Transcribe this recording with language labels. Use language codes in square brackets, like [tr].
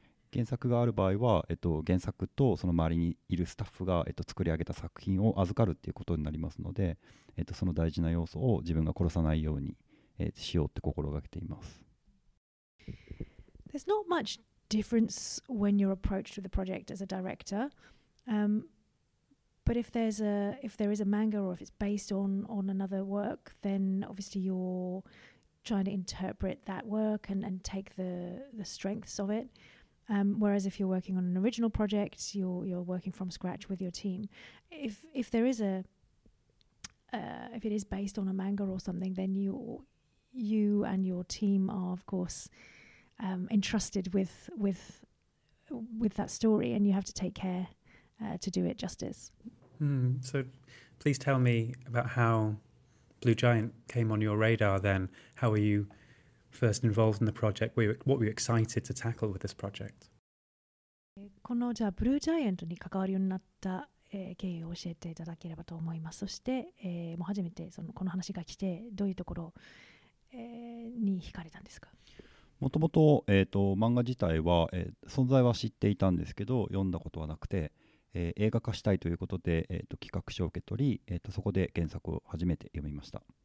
[ja] 原作がある場合は、原作とその周りにいるスタッフが、作り上げた作品を預かるっていうことになりますので、その大事な要素を自分が殺さないように、しようって心がけています。 [en] There's not much difference when you're approached with the project as a director、but if there's a, if there is a manga or if it's based on another work, then obviously you're trying to interpret that work and take the strengths of it. Whereas if you're working on an original project, you're working from scratch with your team. If there is a if it is based on a manga or something, then you and your team are of course entrusted with that story, and you have to take care to do it justice. So please tell me about how Blue Giant came on your radar. Then how are you first involved in the project? What were you excited to tackle with this project? [ja] このじゃあブルージャイアントに関わるようになった、経緯を教えていただければと思います。そして、もう初めてそのこの話が来てどういうところ、に惹かれたんですか。もともと、漫画自体は、存在は知っていたんですけど読んだことはなくて、映画化したいということで、企画書を受け取り、そこで原作を初めて読みました。